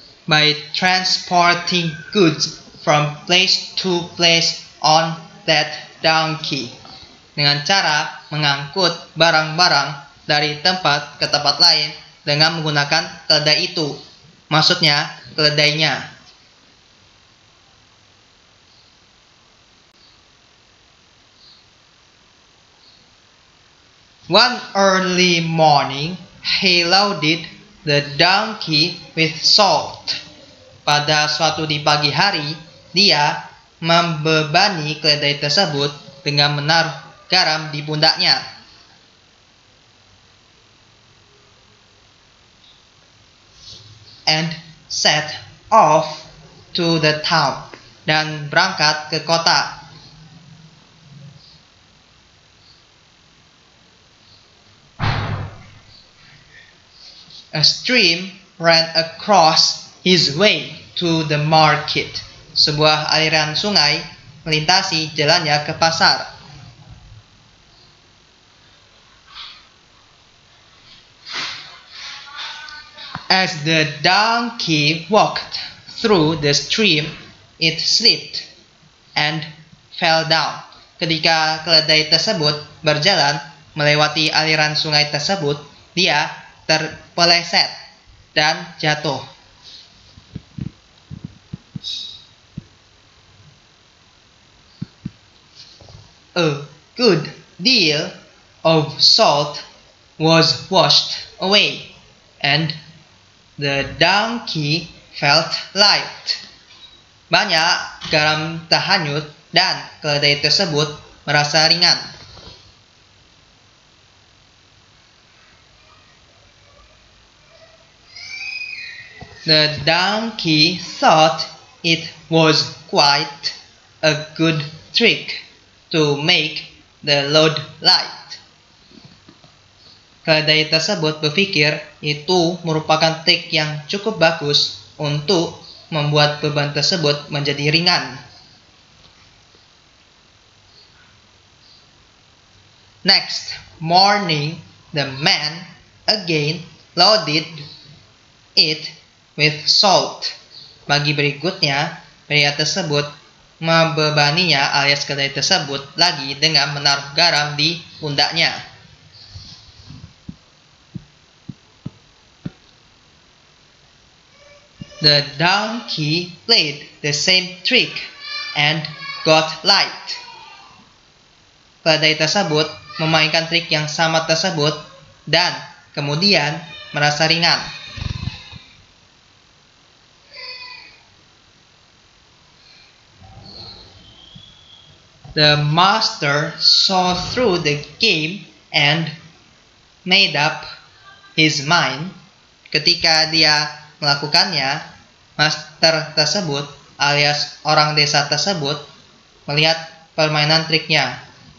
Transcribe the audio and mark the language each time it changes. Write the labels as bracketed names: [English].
[English] By transporting goods from place to place on that donkey. [Indonesian] Dengan cara mengangkut barang-barang dari tempat ke tempat lain dengan menggunakan keledai itu. Maksudnya, keledainya. [English] One early morning, he loaded the donkey with salt. [Indonesian] Pada suatu di pagi hari, dia membebani keledai tersebut dengan menaruh garam di pundaknya. [English] And set off to the town. [Indonesian] Dan berangkat ke kota. [English] A stream ran across his way to the market. [Indonesian] Sebuah aliran sungai melintasi jalannya ke pasar. [English] As the donkey walked through the stream, it slipped and fell down. [Indonesian] Ketika keledai tersebut berjalan melewati aliran sungai tersebut, dia terpeleset dan jatuh. [English] A good deal of salt was washed away and the donkey felt light. [Indonesian] Banyak garam terhanyut dan keledai tersebut merasa ringan. [English] The donkey thought it was quite a good trick to make the load light. [Indonesian] Keledai tersebut berpikir itu merupakan trik yang cukup bagus untuk membuat beban tersebut menjadi ringan. [English] Next morning, the man again loaded it with salt. [Indonesian] Pagi berikutnya, pria tersebut membebaninya alias keledai tersebut lagi dengan menaruh garam di pundaknya. [English] The donkey played the same trick and got light. [Indonesian] Keledai tersebut memainkan trik yang sama tersebut dan kemudian merasa ringan. [English] The master saw through the game and made up his mind. [Indonesian] Ketika dia melakukannya, master tersebut alias orang desa tersebut melihat permainan triknya.